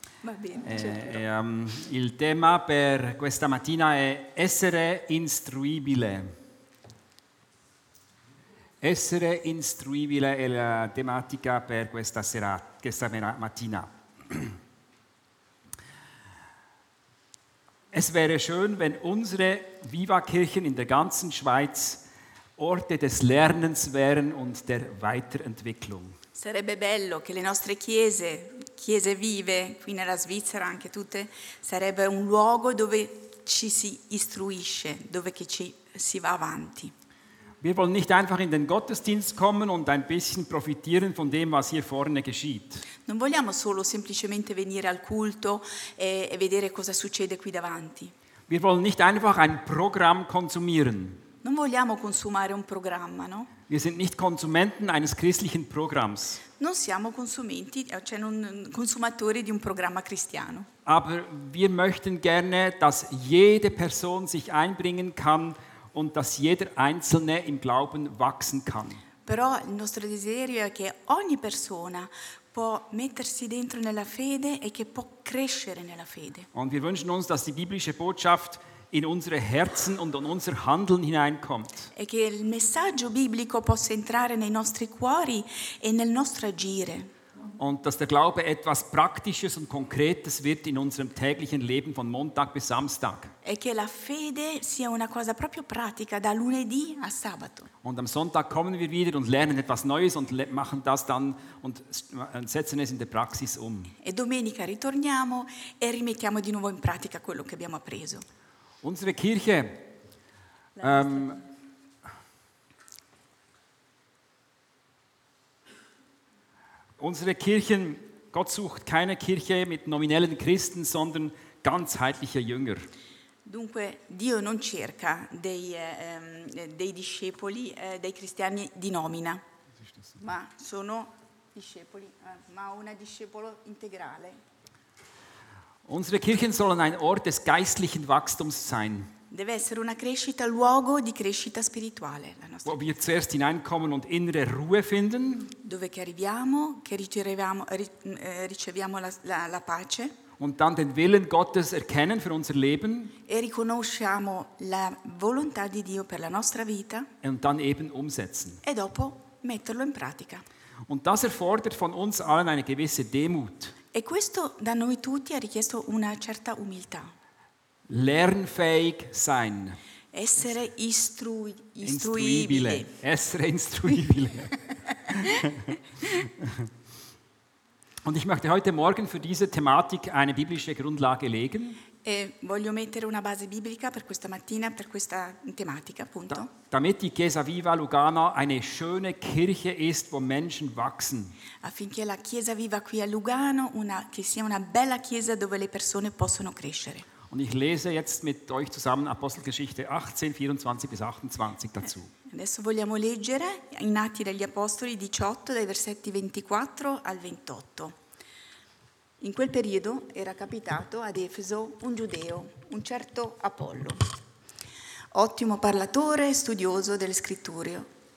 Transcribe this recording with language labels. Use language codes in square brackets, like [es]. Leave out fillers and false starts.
[it] Va bene, certo. Il tema per questa mattina è essere istruibile. Essere istruibile è la tematica per questa sera, questa mattina. [de] Es wäre schön, wenn unsere Viva-Kirchen in der ganzen Schweiz Orte des Lernens wären und der Weiterentwicklung. [it] Sarebbe bello che le nostre chiese, chiese vive qui nella Svizzera, anche tutte, sarebbe un luogo dove ci si istruisce, dove che ci si va avanti. [de] Wir wollen nicht einfach in den Gottesdienst kommen und ein bisschen profitieren von dem, was hier vorne geschieht. [it] Non vogliamo solo semplicemente venire al culto e vedere cosa succede qui davanti. [de] Wir wollen nicht einfach ein Programm konsumieren. [it] Non vogliamo consumare un programma, no? [de] Wir sind nicht Konsumenten eines christlichen Programms. [it] Non siamo consumenti, cioè non consumatori di un programma cristiano. [de] Aber wir möchten gerne, dass jede Person sich einbringen kann und dass jeder Einzelne im Glauben wachsen kann. [it] Però il nostro desiderio è che ogni persona può mettersi dentro nella fede e che può crescere nella fede. [de] Und wir wünschen uns, dass die biblische Botschaft in unsere Herzen und in unser Handeln hineinkommt. [it] E che il messaggio biblico possa entrare nei nostri cuori e nel nostro agire. [de] Und dass der Glaube etwas Praktisches und Konkretes wird in unserem täglichen Leben von Montag bis Samstag. [it] E che la fede sia una cosa proprio pratica da lunedì a sabato. [de] Und am Sonntag kommen wir wieder und lernen etwas Neues und machen das dann und setzen es in der Praxis um. [it] E domenica ritorniamo e rimettiamo di nuovo in pratica quello che abbiamo appreso. [de] Unsere Kirche. Unsere Kirchen, Gott sucht keine Kirche mit nominellen Christen, sondern ganzheitliche Jünger. [it] Dunque, Dio non cerca dei, dei discepoli, dei cristiani di nomina, ma sono discepoli, ma una discepolo integrale. [de] Unsere Kirchen sollen ein Ort des geistlichen Wachstums sein. [it] Deve essere una crescita, luogo di crescita spirituale. La nostra [de] wo wir zuerst hineinkommen und innere Ruhe finden. [it] Dove che arriviamo, che riceviamo, riceviamo la pace. [de] Und dann den Willen Gottes erkennen für unser Leben. [it] E riconosciamo la volontà di Dio per la nostra vita. [de] Und dann eben umsetzen. [it] E dopo metterlo in pratica. [de] Und das erfordert von uns allen eine gewisse Demut. [it] E questo da noi tutti ha richiesto una certa umiltà. [de] Lernfähig sein. [it] Essere istruibile. Essere istruibile. [de] Und ich möchte heute Morgen für diese Thematik eine biblische Grundlage legen. [it] E voglio mettere una base biblica per questa mattina, per questa tematica, appunto. [de] Damit die Chiesa Viva Lugano eine schöne Kirche ist, wo Menschen wachsen. [it] Affinché la Chiesa Viva qui a Lugano una, che sia una bella chiesa dove le persone possono crescere. [de] Und ich lese jetzt mit euch zusammen Apostelgeschichte 18, 24 bis 28 dazu. [it] Adesso vogliamo leggere in Atti degli Apostoli 18, dai versetti 24 al 28. In quel periodo era capitato ad Efeso un giudeo, un certo Apollo, ottimo parlatore e studioso delle scritture.